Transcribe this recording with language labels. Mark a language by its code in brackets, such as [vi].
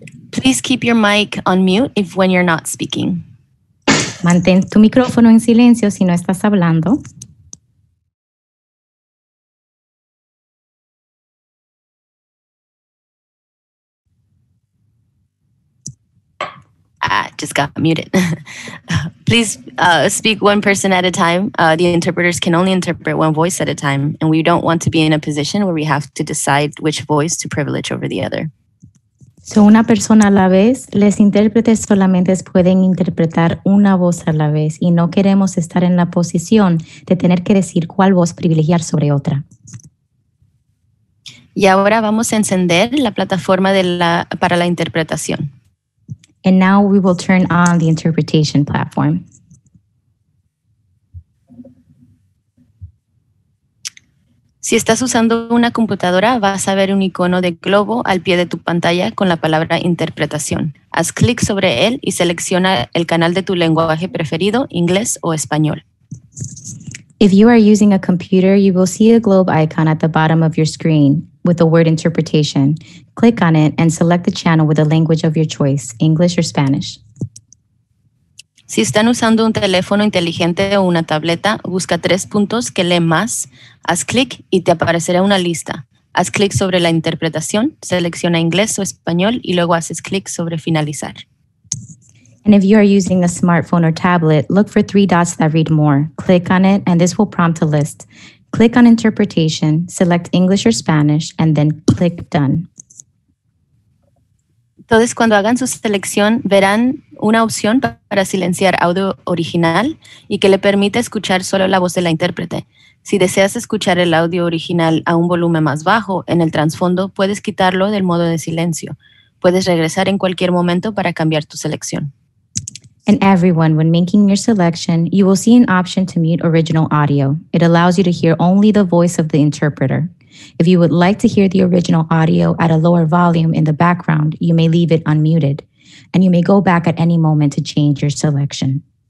[en] Please keep your mic on mute if when you're not speaking. [es] Mantén tu micrófono en silencio si no estás hablando. [en] Just got muted. Please speak one person at a time. The interpreters can only interpret one voice at a time, and we don't want to be in a position where we have to decide which voice to privilege over the other. [es] So una persona a la vez, les intérpretes solamente pueden interpretar una voz a la vez, y no queremos estar en la posición de tener que decir cuál voz privilegiar sobre otra. Y ahora vamos a encender la plataforma para la interpretación. [en] And now we will turn on the interpretation platform. [es] Si estás usando una computadora, vas a ver un icono de globo al pie de tu pantalla con la palabra interpretación. Haz clic sobre él y selecciona el canal de tu lenguaje preferido, inglés o español. [en] If you are using a computer, you will see a globe icon at the bottom of your screen with the word interpretation. Click on it and select the channel with the language of your choice, English or Spanish. [es] Si están usando un teléfono inteligente o una tableta, busca tres puntos que leen más, haz clic y te aparecerá una lista. Haz clic sobre la interpretación, selecciona inglés o español y luego haces clic sobre finalizar. [en] And if you are using a smartphone or tablet, look for three dots that read more. Click on it and this will prompt a list. Click on interpretation, select English or Spanish, and then click done. [es] Entonces, cuando hagan su selección, verán una opción para silenciar audio original y que le permite escuchar solo la voz de la intérprete. Si deseas escuchar el audio original a un volumen más bajo en el trasfondo, puedes quitarlo del modo de silencio. Puedes regresar en cualquier momento para cambiar tu selección. [en] And everyone, when making your selection, you will see an option to mute original audio. It allows you to hear only the voice of the interpreter. If you would like to hear the original audio at a lower volume in the background, you may leave it unmuted. And you may go back at any moment to change your selection.